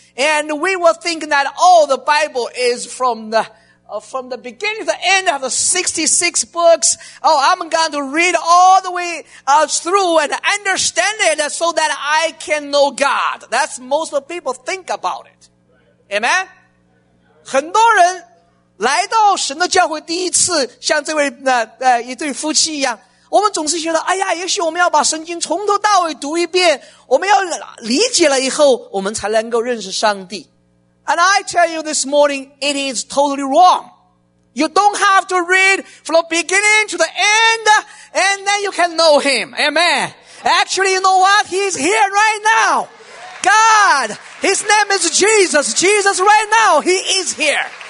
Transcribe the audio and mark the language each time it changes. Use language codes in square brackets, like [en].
[en] And we were thinking that, oh, the Bible is from the beginning to the end of the 66 books. Oh, I'm going to read all the way through and understand it so that I can know God. That's most of people think about it. Amen? [zh] 很多人来到神的教会第一次像这位一对夫妻一样。我们总是觉得哎呀也许我们要把圣经从头到尾读一遍我们要理解了以后我们才能够认识上帝。 [en] And I tell you this morning, it is totally wrong. You don't have to read from the beginning to the end, and then you can know him. Amen. Actually, you know what? He's here right now. God, his name is Jesus. Jesus right now, he is here.